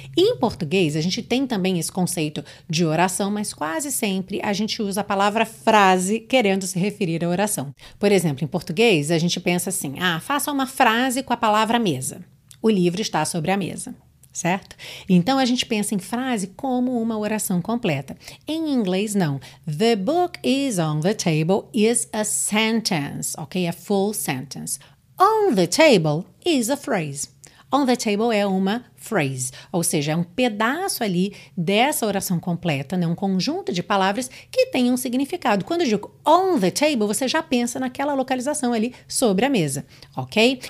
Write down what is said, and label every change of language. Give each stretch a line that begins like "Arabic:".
Portuguese: E em português, a gente tem também esse conceito de oração, mas quase sempre a gente usa a palavra frase querendo se referir à oração. Por exemplo, em português, a gente pensa assim, ah, faça uma frase com a palavra mesa. O livro está sobre a mesa. Certo? Então, a gente pensa em frase como uma oração completa. Em inglês, não.
English: The book is on the table is a sentence, ok? A full sentence. On the table is a phrase. On the table
Portuguese: é uma phrase, ou seja, é um pedaço ali dessa oração completa, né? Um conjunto de palavras que tem um significado. Quando eu digo
English: on the table,
Portuguese: você já pensa naquela localização ali sobre a mesa, ok?